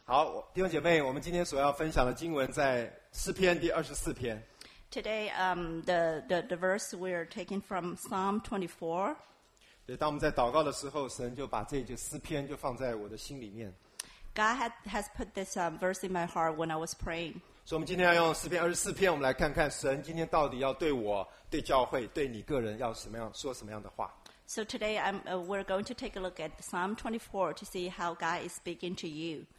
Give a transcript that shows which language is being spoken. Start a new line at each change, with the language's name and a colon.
Chinese: 好，弟兄姐妹，我们今天所要分享的经文在诗篇第二十四篇。
English: Today, the verse we are taking from Psalm 24.
Chinese: 对，当我们在祷告的时候，神就把这句诗篇就放在我的心里面。
English: God has put this verse in my heart when I was praying.
Chinese: 所以，我们今天要用诗篇二十四篇，我们来看看神今天到底要对我、对教会、对你个人要什么样说什么样的话。
English: So today we're going to take a look at Psalm 24 to see how God is speaking to you.